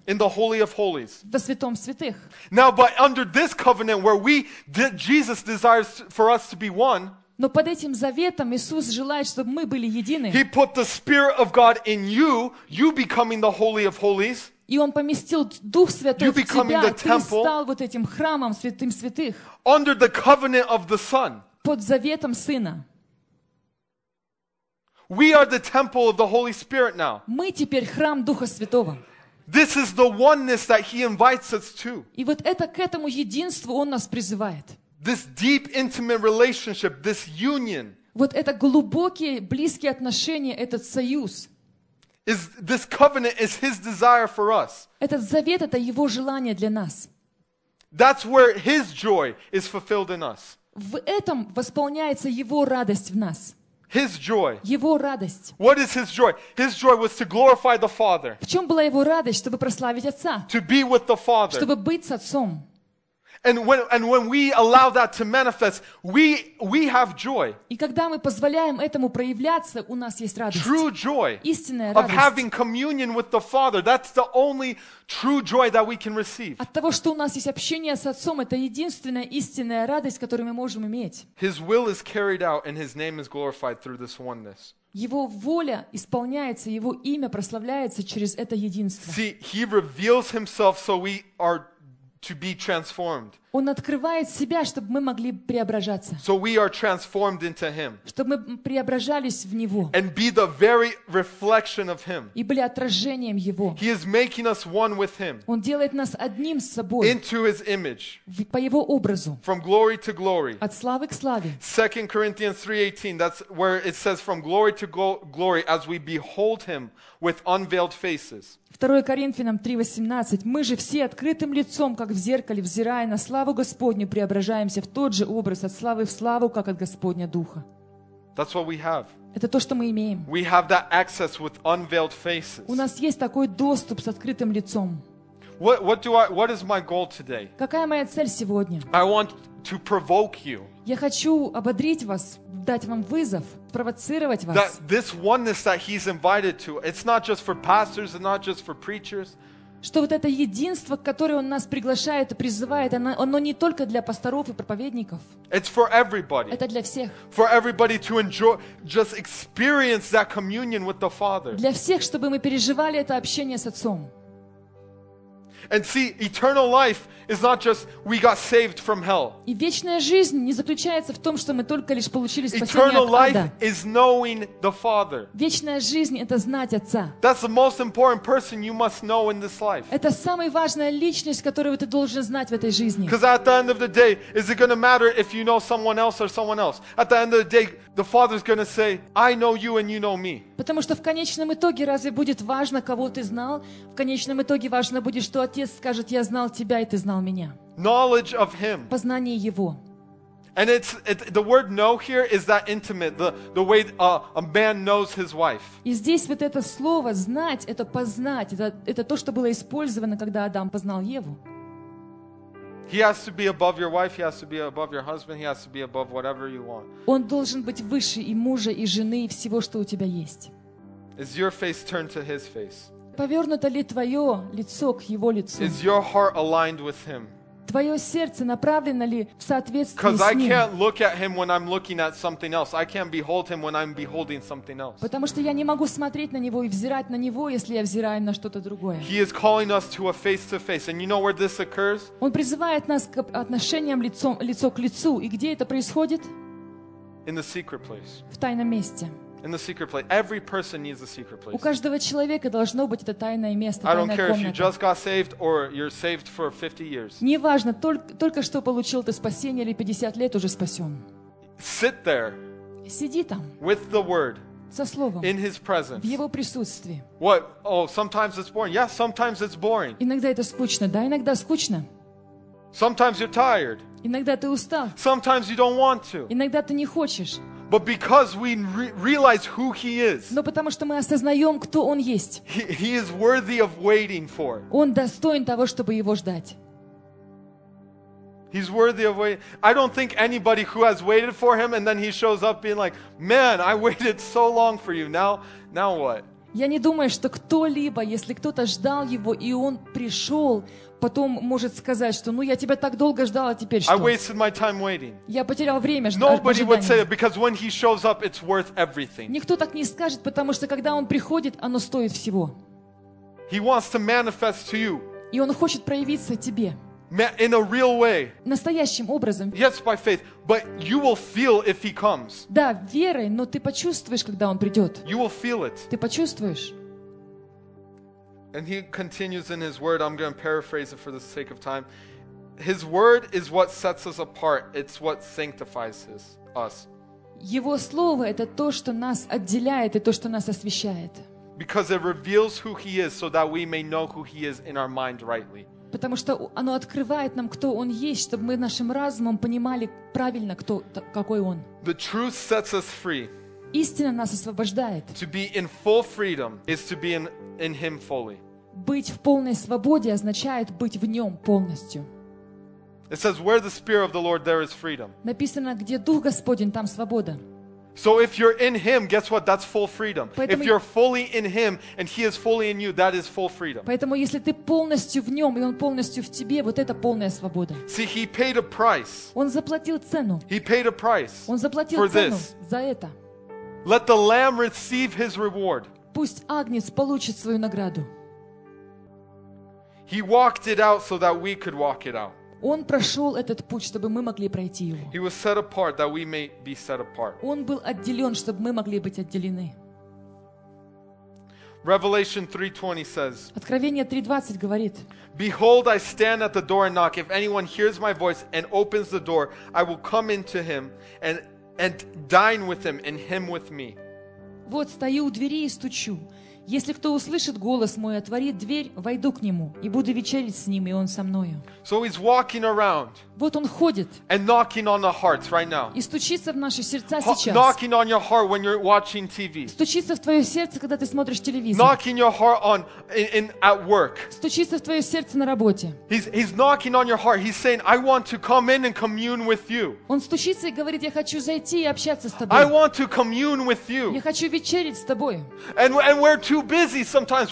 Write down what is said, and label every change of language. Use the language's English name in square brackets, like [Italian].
[English] In the Holy of Holies. [Russian] Во святом святых. [English] Now, but under this covenant, where Jesus desires for us to be one. [Russian] Но под этим заветом Иисус желает, чтобы мы были едины. [English] He put the Spirit of God in you, you becoming the Holy of Holies. [Russian] И Он поместил Дух Святой в тебя, ты стал вот этим храмом святым святых. [English] Under the covenant of the Son. [Russian] Под заветом Сына. [English] We are the temple of the Holy Spirit now. [Russian] Мы теперь храм Духа Святого. [English] This is the oneness that He invites us to. [Russian] И вот это к этому единству Он нас призывает. [English] This deep intimate relationship, this union. [Russian] Вот это глубокие близкие отношения, этот союз. [English] Is this covenant is His desire for us? [Russian] Этот завет это Его желание для нас. [English] That's where His joy is fulfilled in us. [Russian] В этом восполняется Его радость в нас. [English] His joy. [Russian] Его радость. [English] What is His joy? His joy was to glorify the Father. [Russian] В чем была Его радость, чтобы прославить Отца? [English] To be with the Father. [Russian] Чтобы быть с Отцом. [English] And when we allow that to manifest, we have joy. [Russian] И когда мы позволяем этому проявляться, у нас есть радость. [English] True joy. [Russian] Истинная [English] of [Russian] радость. [English] Of having communion with the Father, that's the only true joy that we can receive. [Russian] От того, что у нас есть общение с Отцом, это единственная истинная радость, которую мы можем иметь. [English] His will is carried out, and His name is glorified through this oneness. [Russian] Его воля исполняется, Его имя прославляется через это единство. [English] See, He reveals Himself, so we are to be transformed. [Russian] Он открывает себя, чтобы мы могли преображаться. [English] So we are transformed into him. [Russian] Чтобы мы преображались в него. [English] And be the very reflection of him. [Russian] И были отражением его. [English] He is making us one with him. [Russian] Он делает нас одним с собой. [English] Into his image. [Russian] По его образу. [English] From glory to glory. [Russian] От славы к славе. [English] 2 Corinthians 3:18, that's where it says from glory to glory as we behold him with unveiled faces. [Russian] 2 Коринфянам 3:18. Мы же все открытым лицом, как в зеркале, взирая на славу Господню, преображаемся в тот же образ от славы в славу, как от Господня Духа. [English] That's what we have. [Russian] Это то, что мы имеем. [English] We have that access with unveiled faces. [Russian] У нас есть такой доступ с открытым лицом. [English] What is my goal today? [Russian] Какая моя цель сегодня? [English] I want to provoke you. [Russian] Я хочу ободрить вас, дать вам вызов, провоцировать вас. [English] That this oneness that he's invited to, it's not just for pastors and not just for preachers. [Russian] Что вот это единство, к которому он нас приглашает и призывает, оно не только для пасторов и проповедников. [English] It's for everybody. [Russian] Это для всех. [English] For everybody to enjoy, just experience that communion with the Father. [Russian] Для всех, чтобы мы переживали это общение с Отцом. [English] And see, eternal life is not just we got saved from hell. [Russian] И вечная жизнь не заключается в том, что мы только лишь получили спасение от [English] Eternal life is knowing the Father. [Russian] Вечная жизнь — это знать Отца. [English] That's the most important person you must know in this life. [Russian] Это самая важная личность, которую ты должен знать в этой жизни. [English] Because at the end of the day, is it going to matter if you know someone else or someone else? At the end of the day, the Father's going to say, I know you and you know me. [Russian] Потому что в конечном итоге разве будет важно, кого ты знал? В конечном итоге важно будет, что Отец скажет: «Я знал тебя, и ты знал меня». [English] Knowledge of him. [Russian] Познание его. [English] And the word know here is that intimate, the way a man knows his wife. [Russian] И здесь вот это слово знать, это познать, это то, что было использовано, когда Адам познал Еву. [English] He has to be above your wife, he has to be above your husband, he has to be above whatever you want. [Russian] Он должен быть выше и мужа, и жены, и всего, что у тебя есть. [English] Is your face turned to his face? [Russian] Повернуто ли твое лицо к его лицу? [English] Is your heart aligned with him? [Russian] Твое сердце направлено ли в соответствии с ним? [English] Because I can't look at him when I'm looking at something else. I can't behold him when I'm beholding something else. [Russian] Потому что я не могу смотреть на него и взирать на него, если я взираю на что-то другое. [English] He is calling us to a face-to-face. And you know where this occurs? [Russian] Он призывает нас к отношениям лицо к лицу. И где это происходит? [English] In the secret place. [Russian] В тайном месте. [English] In the secret place. Every person needs a secret place. [Russian] У каждого человека должно быть это тайное место, тайная комната. [English] I don't care if you just got saved or you're saved for 50 years. [Russian] Неважно, только что получил ты спасение или 50 лет уже спасен. [English] Sit there. [Russian] Сиди там. [English] With the word. [Russian] Со словом. [English] In his presence. [Russian] В его присутствии. [English] What? Oh, sometimes it's boring. Yeah, sometimes it's boring. [Russian] Иногда это скучно. Да, иногда скучно. [English] Sometimes you're tired. [Russian] Иногда ты устал. [English] Sometimes you don't want to. [Russian] Иногда ты не хочешь. [English] But because we realize who he is. [Russian] Но потому что мы осознаем, кто он есть. [English] He is worthy of waiting for. [Russian] Он достоин того, чтобы его ждать. [English] He's worthy of waiting. I don't think anybody who has waited for him and then he shows up being like, "Man, I waited so long for you. Now what?" [Russian] Я не думаю, что кто-либо, если кто-то ждал его и он пришел, потом может сказать, что «Ну, я тебя так долго ждал, а теперь что?» [English] I wasted my time waiting. [Russian] Я потерял время в ожидании. [English] Nobody would say it, because when he shows up, it's worth everything. [Russian] Никто так не скажет, потому что когда он приходит, оно стоит всего. [English] He wants to manifest to you. [Russian] И он хочет проявиться тебе. [English] In a real way. [Russian] Настоящим образом. [English] Yes, by faith. But you will feel if he comes. [Russian] Да, верой, но ты почувствуешь, когда он придет. [English] You will feel it. [Russian] Ты почувствуешь. [English] And he continues in his word. I'm going to paraphrase it for the sake of time. His word is what sets us apart. It's what sanctifies us. [Russian] Его слово — это то, что нас отделяет и то, что нас освящает. [English] Because it reveals who he is so that we may know who he is in our mind rightly. [Russian] Потому что оно открывает нам, кто он есть, чтобы мы нашим разумом понимали правильно, кто, какой он. [English] The truth sets us free. [Russian] Истина нас освобождает. [English] To be in full freedom is to be in him fully. [Russian] Быть в полной свободе означает быть в нем полностью. [English] It says, where the Spirit of the Lord, there is freedom. [Russian] Написано, где Дух Господень, там свобода. [English] So if you're in him, guess what? That's full freedom. [Russian] Поэтому, [English] if you're fully in him and he is fully in you, that is full freedom. [Russian] Поэтому если ты полностью в нем и он полностью в тебе, вот это полная свобода. [English] See, he paid a price. [Russian] Он заплатил цену. [English] He paid a price. [Russian] Он заплатил цену за это. [English] Let the lamb receive his reward. [Russian] Пусть Агнец получит свою награду. [English] He walked it out so that we could walk it out. [Russian] Он прошел этот путь, чтобы мы могли пройти его. [English] He was set apart that we may be set apart. [Russian] Он был отделен, чтобы мы могли быть отделены. [English] Revelation 3:20 says. [Russian] Откровение 3:20 говорит. [English] Behold, I stand at the door and knock. If anyone hears my voice and opens the door, I will come into him and dine with him and him with me. [Russian] Вот стою у двери и стучу. Если кто услышит голос мой, отворит дверь, войду к нему и буду вечерить с ним, и он со мною. [English] So he's walking around. [Russian] Вот он ходит. [English] And knocking on the hearts right now. [Russian] И стучится в наши сердца сейчас. [English] Knocking on your heart when you're watching TV. [Russian] Стучится в твое сердце, когда ты смотришь телевизор. [English] Knocking your heart on in at work. [Russian] Стучится в твое сердце на работе. [English] He's knocking on your heart. He's saying, I want to come in and commune with you. [Russian] Он стучится и говорит, я хочу зайти и общаться с тобой. [English] I want to commune with you. [Russian] Я хочу вечерить с тобой. [English] And we're too busy sometimes.